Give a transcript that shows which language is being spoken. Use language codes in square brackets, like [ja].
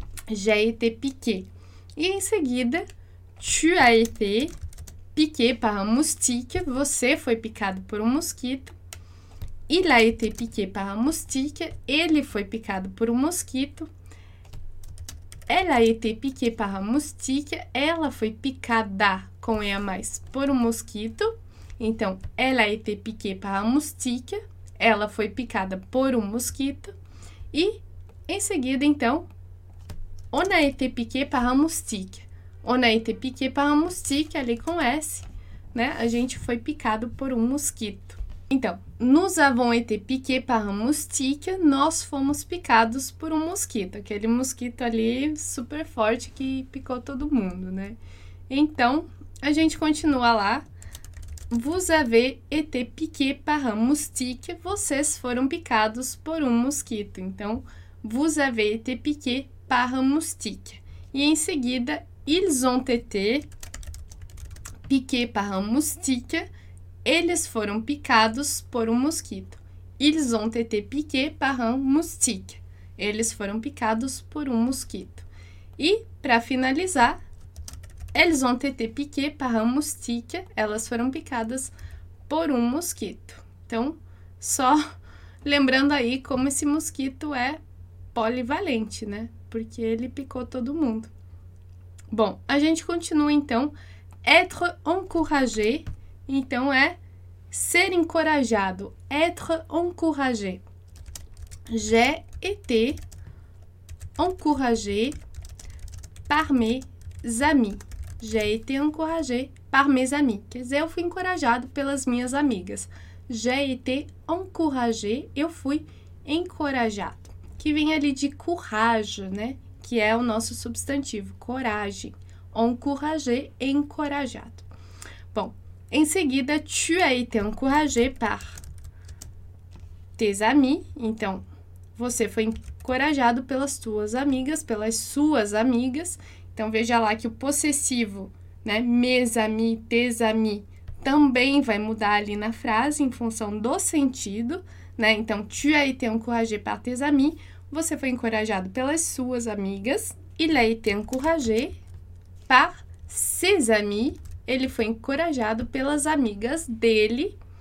[fr] J'ai été piqué. [pt] E em seguida, [fr] tu as été piqué par un moustique. [pt] Você foi picado por um mosquito. [fr] Il a été piqué par un moustique. [pt] Ele foi picado por um mosquito. [fr] Elle a été piquée par un moustique. [pt] Ela foi picada com E a mais por um mosquito. [fr] Então, ela a été piquée par un moustique. [pt] Ela foi picada por um mosquito. E em seguida, então, [fr] on a été piqué par un moustique. On a été piqué par un moustique, [pt] ali com S, né? A gente foi picado por um mosquito. Então, [fr] nous avons été piqués par un moustique, [pt] nós fomos picados por um mosquito. Aquele mosquito ali super forte que picou todo mundo, né? Então, a gente continua lá. [fr] Vous avez été piqués par un moustique, [pt] vocês foram picados por um mosquito. [fr] Então, vous avez été piqués par un moustique. [pt] E em seguida, [fr] ils ont été piqués par un moustique. [pt] Eles foram picados por um mosquito. [fr] Ils ont été piqués par un moustique. [pt] Eles foram picados por um mosquito. E, para finalizar, [fr] elles ont été piquées par un moustique. [pt] Elas foram picadas por um mosquito. Então, só lembrando aí como esse mosquito é polivalente, né? Porque ele picou todo mundo. Bom, a gente continua então. [fr] Être encouragé. [pt] Então, é ser encorajado. [fr] Être encouragé. J'ai été encouragé par mes amis. J'ai été encouragé par mes amis. [pt] Quer dizer, eu fui encorajado pelas minhas amigas. [fr] J'ai été encouragé. [pt] Eu fui encorajado. Que vem ali de courage, né? Que é o nosso substantivo. Coragem. Encouragé, encorajado. Bom. Em seguida, [fr] tu as été encouragé par tes amis. [pt] Então, você foi encorajado pelas tuas amigas, pelas suas amigas. Então, veja lá que o possessivo, né? [fr] Mes amis, tes amis, [pt] também vai mudar ali na frase em função do sentido, né? [fr] Então, tu as été encouragé par tes amis. [pt] Você foi encorajado pelas suas amigas. [fr] Il a été encouragé par ses amis. [pt] Ele foi encorajado pelas amigas dele.